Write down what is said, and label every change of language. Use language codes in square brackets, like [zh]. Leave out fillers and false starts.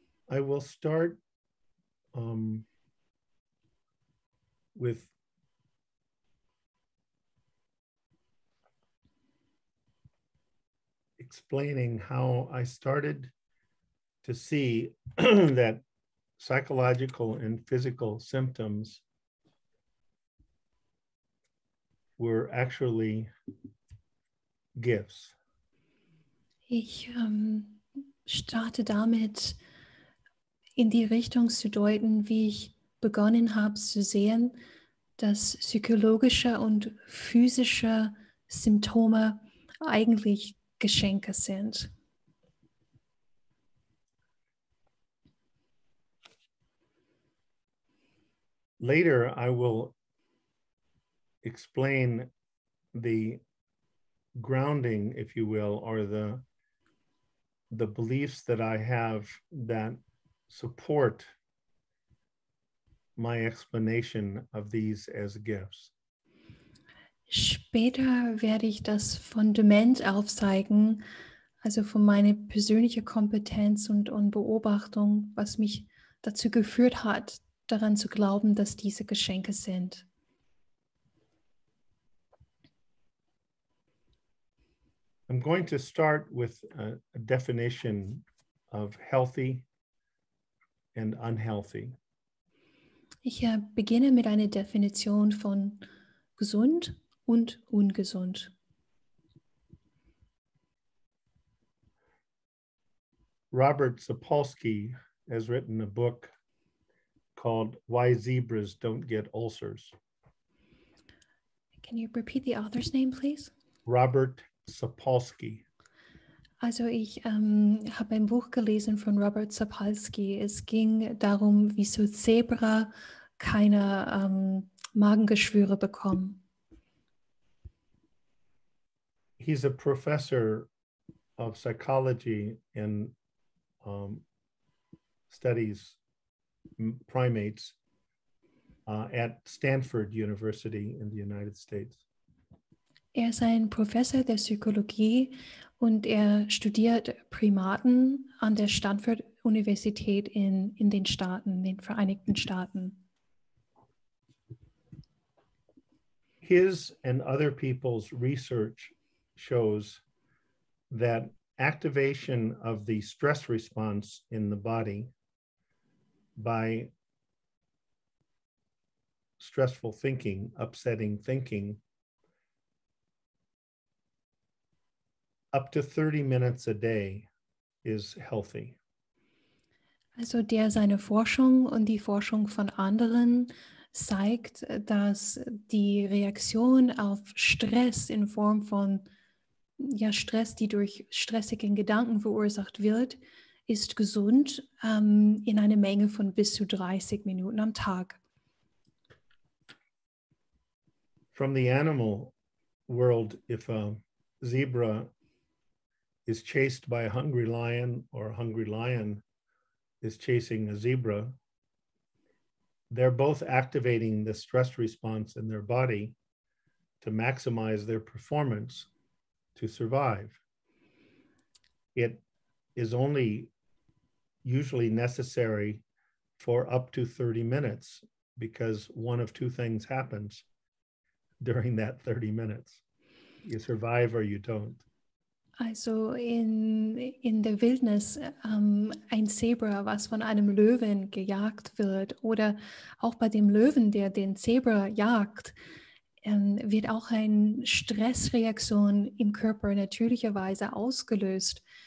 [en] I will start with explaining how I started to see that psychological and physical symptoms were actually gifts. [de] Ich starte damit, in die Richtung zu deuten, wie ich begonnen habe zu sehen, dass psychologische und physische Symptome eigentlich Geschenke sind. [en] Later, I will explain the grounding, if you will, or the beliefs that I have that support my explanation of these as gifts. [de] Später werde ich das Fundament aufzeigen, also von meiner persönlichen Kompetenz und Beobachtung, was mich dazu geführt hat, daran zu glauben, dass diese Geschenke sind. [en] I'm going to start with a definition of healthy and unhealthy. [de] Ich beginne mit einer Definition von gesund und ungesund. [en] Robert Sapolsky has written a book called Why Zebras Don't Get Ulcers. Can you repeat the author's name, please? Robert Sapolsky. [de] Also ich habe ein Buch gelesen von Robert Sapolsky. Es ging darum, wieso Zebra keine Magengeschwüre bekommen. [en] He's a professor of psychology and studies primates at Stanford University in the United States. [de] Er ist ein Professor der Psychologie und er studiert Primaten an der Stanford Universität in den Staaten, den Vereinigten Staaten. [en] His and other people's research shows that activation of the stress response in the body by stressful thinking, upsetting thinking, up to 30 minutes a day is healthy. [de] Also der seine Forschung und die Forschung von anderen zeigt, dass die Reaktion auf Stress in Form von Stress, die durch stressigen Gedanken verursacht wird, ist gesund in einer Menge von bis zu 30 Minuten am Tag. [en] From the animal world, if a zebra is chased by a hungry lion or a hungry lion is chasing a zebra, they're both activating the stress response in their body to maximize their performance to survive. It is only usually necessary for up to 30 minutes because one of two things happens during that 30 minutes. You survive or you don't. [de] Also in der Wildnis, ein Zebra, was von einem Löwen gejagt wird, oder auch bei dem Löwen, der den Zebra jagt, wird auch eine Stressreaktion im Körper natürlicherweise ausgelöst.